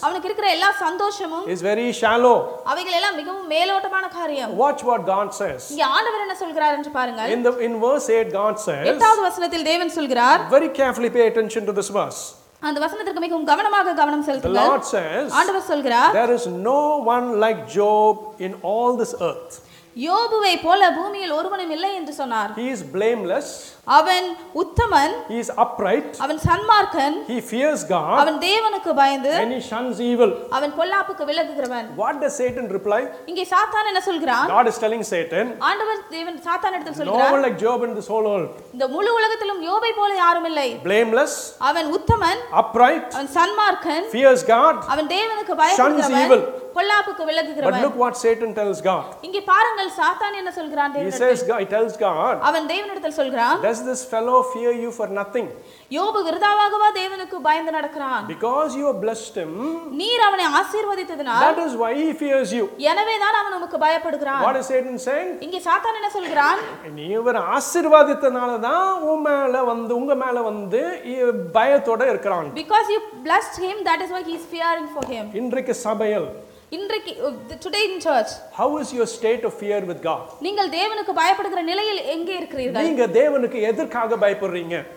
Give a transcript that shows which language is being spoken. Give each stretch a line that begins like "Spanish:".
Tamil: அவனுக்கு இருக்கிற எல்லா சந்தோஷமும்
English: is very shallow
Tamil: அவைகள் எல்லாம் மிகவும் மேலோட்டமான காரியம்
English: watch what God says
Tamil: இங்கே ஆண்டவர் என்ன சொல்கிறார் என்று பாருங்கள்
English: in the in verse 8 God says
Tamil: 8வது வசனத்தில் தேவன் சொல்கிறார்
English: very carefully pay attention to this verse
Tamil: அந்த வசனத்துக்கு மிகவும் கவனமாக கவனம் செலுத்துங்கள்
English: The Lord says,
Tamil: ஆண்டவர் சொல்கிறார்
English: There is no one like Job in all this earth.
Tamil: யோபுவை போல பூமியில் ஒருவனும் இல்லை என்று சொன்னார்.
English: He is blameless.
Tamil: அவன் உத்தமன்.
English: He is upright.
Tamil: அவன் சன்மார்க்கன்.
English: He fears God.
Tamil: அவன் தேவனுக்கு பயந்து.
English: And he shuns evil.
Tamil: அவன் பொல்லாப்புக்கு விலகுகிறவன்.
English: What does Satan reply?
Tamil: இங்கே சாத்தான் என்ன சொல்கிறான்?
English: God is telling Satan.
Tamil: ஆண்டவர் தேவன் சாத்தான் இடத்தில் சொல்கிறார்.
English: No one like Job in this whole world.
Tamil: இந்த முழு உலகத்திலும் யோபை போல யாரும் இல்லை.
English: Blameless.
Tamil: அவன் உத்தமன்.
English: Upright.
Tamil: அவன் சன்மார்க்கன்.
English: Fears God.
Tamil: அவன் தேவனுக்கு பயந்துகிறவன்.
English: Shuns evil.
Tamil: பொல்லாப்புக்கு விலகுகிறவன்.
English: But look what Satan tells God.
Tamil: இங்கே பாருங்கள் சாத்தான் என்ன சொல்கிறான் தேவனிடத்தில்.
English: He says God, he tells God.
Tamil: அவன் தேவனிடத்தில் சொல்கிறான்.
English: Does this fellow fear you for nothing?
Tamil: யோபு விருதாவாகவா தேவனுக்கு பயந்து நடக்கிறான்?
English: Because you have blessed him.
Tamil: நீர் அவனை ஆசீர்வதித்ததனால்.
English: That is why he fears you.
Tamil: எனவே தான் அவன் உமக்கு பயப்படுகிறான்.
English: What is Satan saying?
Tamil: இங்கே சாத்தான் என்ன சொல்கிறான்? நீ இவர் ஆசீர்வதித்ததனால தான் உங்க மேல வந்து பயத்தோட இருக்கிறான்.
English: Because you blessed him, that is why he is fearing for him.
Tamil: இன்றைக்கு சபையல் இன்றைக்கு
English: today in church how is your state of fear with god
Tamil: நீங்கள் தேவனுக்கு பயப்படுகிற நிலையில் எங்கே இருக்கிறீர்கள் நீங்க தேவனுக்கு எதற்காக பயப்படுறீங்க